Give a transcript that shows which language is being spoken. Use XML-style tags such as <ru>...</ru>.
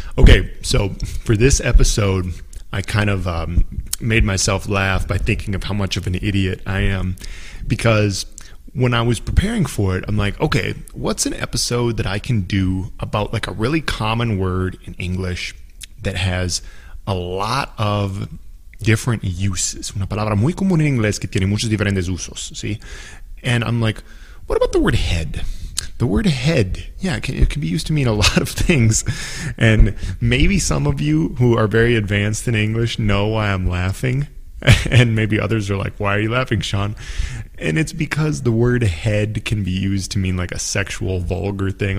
<en>Okay, so for this episode, I kind of made myself laugh by thinking of how much of an idiot I am, because when I was preparing for it, I'm like, okay, what's an episode that I can do about like a really common word in English that has a lot of different uses?</en> <es>Una palabra muy común en inglés que tiene muchos diferentes usos, ¿sí?</es> <en>And I'm like, what about the word head? The word head, yeah, it can be used to mean a lot of things. And maybe some of you who are very advanced in English know why I'm laughing. And maybe others are like, why are you laughing, Sean? And it's because the word head can be used to mean like a sexual, vulgar thing.</en>